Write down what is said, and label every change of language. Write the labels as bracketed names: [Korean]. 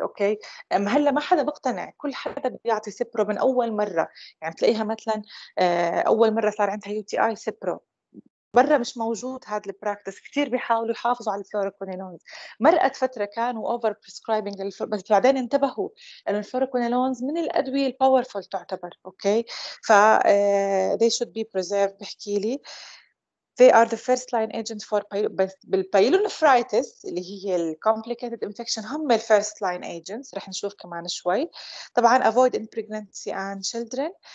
[Arabic] اوكي، هلا ما حدا بقتنع، كل حدا بيعطي سيبرو من اول مره، يعني تلاقيها مثلا اول مره صار عندها يو تي اي سيبرو، برا مش موجود هذا البراكتس، كثير بيحاولوا يحافظوا على الفلوروكوينيلونز. مرقت فتره كانوا اوفر بريسكرايبنج بس بعدين انتبهوا ان الفلوروكوينيلونز من الادويه الباورفول تعتبر. اوكي، ف [English] the should be preserved [Arabic] بحكي لي. [English] they are the first line agent for [Arabic] بالبايلونفرايتس اللي هي الكومبليكيتد انفكشن. هم الفيرست لاين ايجنتس رح نشوف كمان شوي. [English] طبعا avoid in pregnancy and children.